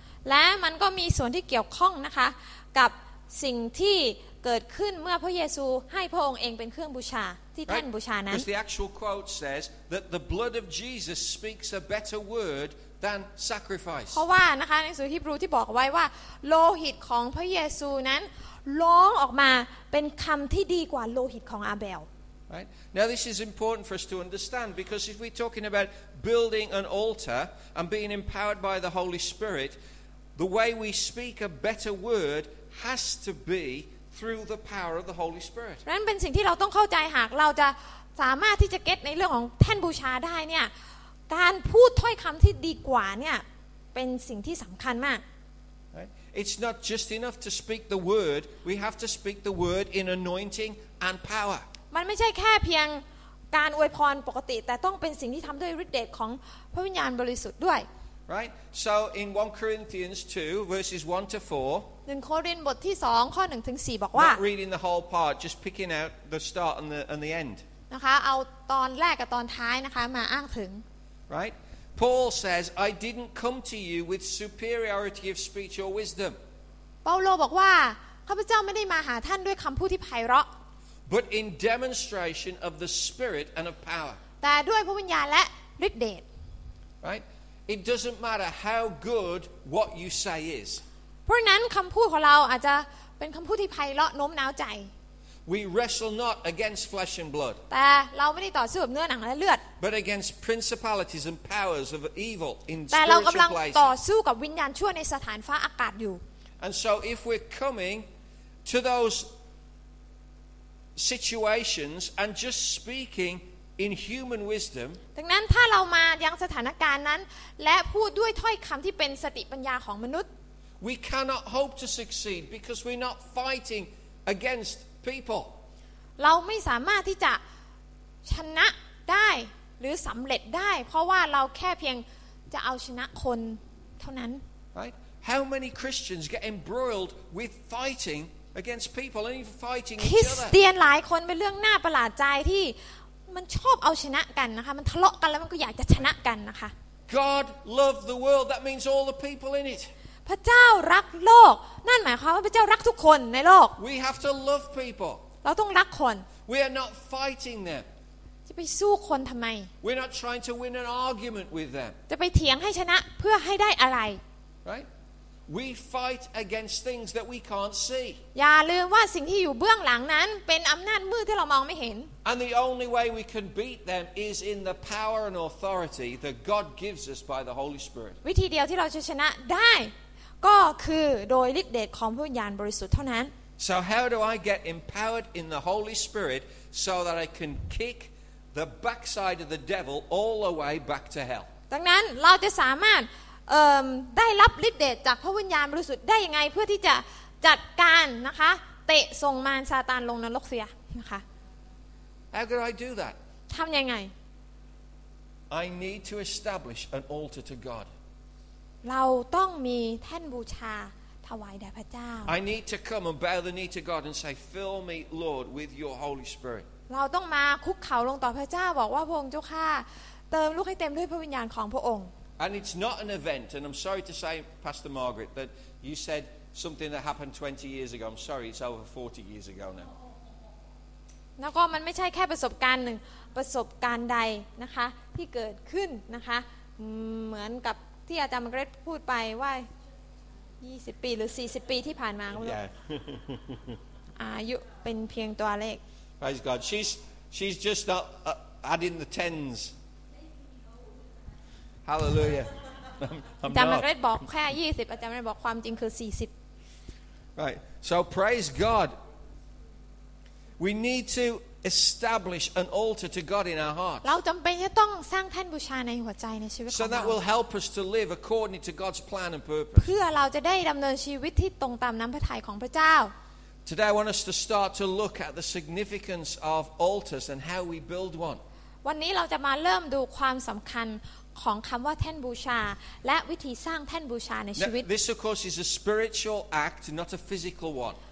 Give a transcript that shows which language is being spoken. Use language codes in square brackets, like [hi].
[th] และมันก็มีส่วนที่เกี่ยวข้องนะคะกับสิ่งที่เกิดขึ้นเมื่อพระเยซูให้พระองค์เองเป็นเครื่องบูชาที่แท่นบูชานั้น [en] Because the actual quote says that the blood of Jesus speaks a better word than sacrifice. [th] เพราะว่านะคะในหนังสือฮีบรูที่บอกไว้ว่าโลหิตของพระเยซูนั้นร้องออกมาเป็นคำที่ดีกว่าโลหิตของอาเบล [en] Right. Now this is important for us to understand because if we're talking about building an altar and being empowered by the Holy Spirit, the way we speak a better word has to beThrough the power of the Holy Spirit. [th] นั่นเป็นสิ่งที่เราต้องเข้าใจหากเราจะสามารถที่จะเก็ทในเรื่องของแท่นบูชาได้เนี่ยการพูดถ้อยคำที่ดีกว่าเนี่ยเป็นสิ่งที่สำคัญมาก [en] It's not just enough to speak the word. We have to speak the word in anointing and power. [th] มันไม่ใช่แค่เพียงการอวยพรปกติแต่ต้องเป็นสิ่งที่ทำด้วยฤทธิ์เดชของพระวิญญาณบริสุทธิ์ด้วย [en] Right. So in 1 Corinthians 2 verses 1 to 4 [th] 1โครินธ์บทที่2ข้อ1ถึง4บอกว่า [en] Not reading the whole part just picking out the start and the end [th] นะคะเอาตอนแรกกับตอนท้ายนะคะมาอ้างถึง [en] Right Paul says I didn't come to you with superiority of speech or wisdom [th] เปาโลบอกว่าข้าพเจ้าไม่ได้มาหาท่านด้วยคำพูดที่ไพเราะ [en] But in demonstration of the spirit and of power [th] แต่ด้วยพระวิญญาณและฤทธิ์เดช [en] Right It doesn't matter how good what you say is [th] เพราะนั้นคำพูดของเราอาจจะเป็นคำพูดที่ไพเราะโน้มน้าวใจ [en] We wrestle not against flesh and blood [th] แต่เราไม่ได้ต่อสู้กับเนื้อหนังและเลือด [en] But against principalities and powers of evil in spiritual places [th] แต่เรากำลังต่อสู้กับวิญญาณชั่วในสถานฟ้าอากาศอยู่ [en] And so if we're coming to those situations and just speaking in human wisdom [th] ดังนั้นถ้าเรามายังสถานการณ์นั้นและพูดด้วยถ้อยคำที่เป็นสติปัญญาของมนุษย์ [en] We cannot hope to succeed because we're not fighting against people. [th] เราไม่สามารถที่จะชนะได้หรือสำเร็จได้เพราะว่าเราแค่เพียงจะเอาชนะคนเท่านั้น [en] Right? How many Christians get embroiled with fighting against people and even fighting each other? [th] คริสเตียนหลายคนเป็นเรื่องน่าประหลาดใจที่มันชอบเอาชนะกันนะคะมันทะเลาะกันแล้วมันก็อยากจะชนะกันนะคะ [en] God loved the world. That means all the people in it. [th] พระเจ้ารักโลกนั่นหมายความว่าพระเจ้ารักทุกคนในโลก [en] We have to love people [th] เราต้องรักคน [en] We are not fighting them [th] จะไปสู้คนทำไม [en] We're not trying to win an argument with them [th] จะไปเถียงให้ชนะเพื่อให้ได้อะไร [en] Right We fight against things that we can't see [th] อย่าลืมว่าสิ่งที่อยู่เบื้องหลังนั้นเป็นอำนาจมืดที่เรามองไม่เห็น [en] And the only way we can beat them is in the power and authority that God gives us by the Holy Spirit [th] วิธีเดียวที่เราจะชนะได้ก็คือโดยฤทธิ์เดชของพระวิญญาณบริสุทธิ์เท่านั้น [en] So how do I get empowered in the Holy Spirit so that I can kick the backside of the devil all the way back to hell [th] ดังนั้นเราจะสามารถได้รับฤทธิ์เดชจากพระวิญญาณบริสุทธิ์ได้ยังไงเพื่อที่จะจัดการนะคะเตะส่งมารซาตานลงนรกเสียนะคะ [en] How could I do that [th] ทำยังไง [en] I need to establish an altar to God [th] เราต้องมีแท่นบูชาถวายแด่พระเจ้า [en] I need to come and bow the knee to God and say fill me Lord with your Holy Spirit [th] เราต้องมาคุกเข่าลงต่อพระเจ้าบอกว่าพระองค์เจ้าข้าเติมลูกให้เต็มด้วยพระวิญญาณของพระองค์ [en] And it's not an event and I'm sorry to say Pastor Margaret that you said something that happened 20 years ago I'm sorry it's over 40 years ago now [th] แล้วก็มันไม่ใช่แค่ประสบการณ์หนึ่งประสบการณ์ใดนะคะที่เกิดขึ้นนะคะเหมือนกับที่อาจารย์มาร์เกร็ตพูดไปว่า20ปีหรือ40ปีที่ผ่านมาก็ไม่รู้อายุเป็นเพียงตัวเลข [en] Praise God she's just not adding the tens Hallelujah [th] อาจารย์มาร์เกร็ตบอกแค่20อาจารย์มาร์เกร็ตบอกความจริงคือ40 [en] Right so praise God we need to establish an altar to God in our heart. [th] เราจำเป็นจะต้องสร้างแท่นบูชาในหัวใจในชีวิตของเรา [en] So that will help us to live according to God's plan and purpose. [th] เพื่อเราจะได้ดำเนินชีวิตที่ตรงตามน้ำพระทัยของพระเจ้า [en] Today I want us to start to look at the significance of altars and how we build one. [th] วันนี้เราจะมาเริ่มดูความสำคัญของคำว่าแท่นบูชาและวิธีสร้างแท่นบูชาในชีวิต [en] This of course is a spiritual act, not a physical one.